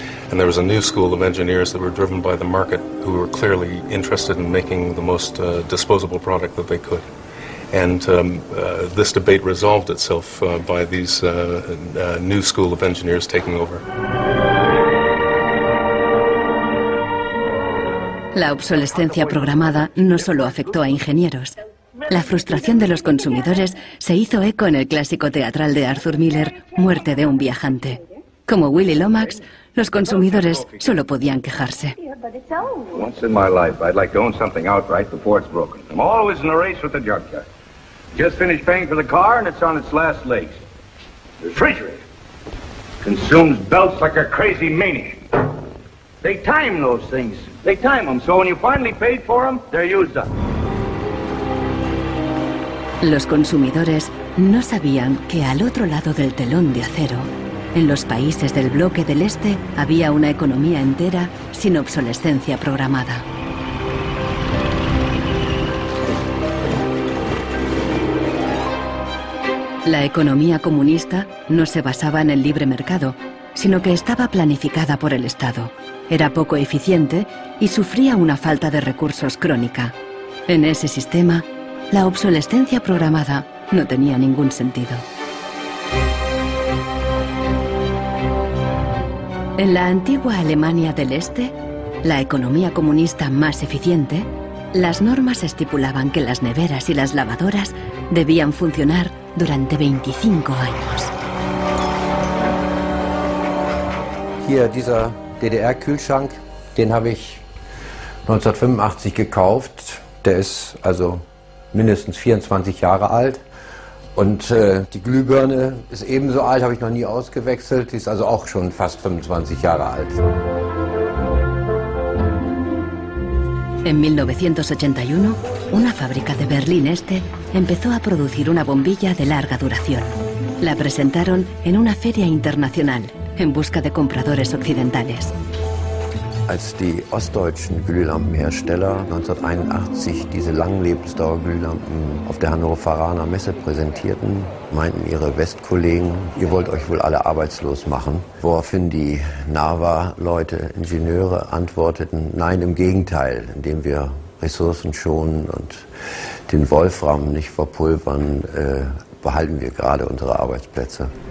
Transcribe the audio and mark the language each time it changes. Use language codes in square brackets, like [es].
[en] And there was a new school of engineers that were driven by the market, who were clearly interested in making the most disposable product that they could. And this debate resolved itself by these new school of engineers taking over. [es] La obsolescencia programada no solo afectó a ingenieros. La frustración de los consumidores se hizo eco en el clásico teatral de Arthur Miller, Muerte de un viajante. Como Willy Lomax, los consumidores solo podían quejarse. [en] Once in my life, I'd like to own something outright before it's broken. I'm always in a race with the junkyard. Just finished paying for the car and it's on its last legs. Refrigerator consumes belts like a crazy maniac. They time those things. They time them, so when you finally paid for them, they're used up. [es] Los consumidores no sabían que al otro lado del telón de acero, en los países del bloque del este, había una economía entera sin obsolescencia programada. La economía comunista no se basaba en el libre mercado, sino que estaba planificada por el Estado. Era poco eficiente y sufría una falta de recursos crónica. En ese sistema, la obsolescencia programada no tenía ningún sentido. En la antigua Alemania del Este, la economía comunista más eficiente, las normas estipulaban que las neveras y las lavadoras debían funcionar durante 25 años. [de] Hier dieser DDR-Kühlschrank, den habe ich 1985 gekauft. Der ist also mindestens 24 Jahre alt. Und die Glühbirne ist ebenso alt, habe ich noch nie ausgewechselt. Die ist also auch schon fast 25 Jahre alt. [es] En 1981, una fábrica de Berlín Este empezó a producir una bombilla de larga duración. La presentaron en una feria internacional en busca de compradores occidentales. [de] Als die ostdeutschen Glühlampenhersteller 1981 diese Langlebensdauerglühlampen auf der Hannoveraner Messe präsentierten, meinten ihre Westkollegen, ihr wollt euch wohl alle arbeitslos machen. Woraufhin die NAVA-Leute, Ingenieure, antworteten, nein, im Gegenteil, indem wir Ressourcen schonen und den Wolfram nicht verpulvern, behalten wir gerade unsere Arbeitsplätze.